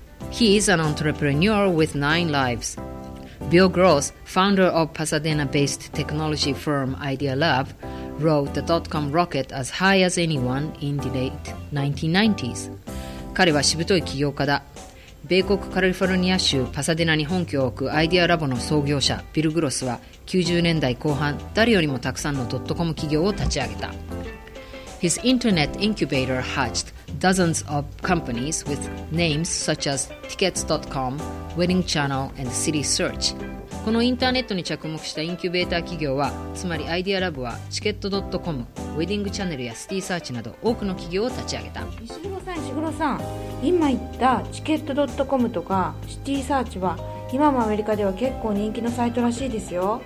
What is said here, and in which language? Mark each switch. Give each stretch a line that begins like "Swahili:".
English: He is an entrepreneur with nine lives. Bill Gross, founder of Pasadena-based technology firm Idea Lab, rode the dot-com rocket as high as anyone in the late 1990s.
Japanese: 彼はしぶとい起業家だ。米国カリフォルニア州パサデナに本拠を置くアイデアラボの創業者ビル・グロスは、90年代後半、誰よりもたくさんのドットコム企業を立ち上げた。
English: His internet incubator hatched dozens of companies with names such as Tickets.com, Wedding Channel, and City Search.
Japanese: このインターネットに着目したインキュベーター企業は、つまりアイデアラブは、チケット .com、ウェディングチャンネルやシティサーチなど多くの企業を立ち上げた。石黒さん、石黒さん、今言ったチケット .com とかシティサーチは、今もアメリカでは結構人気のサイトらしいですよ。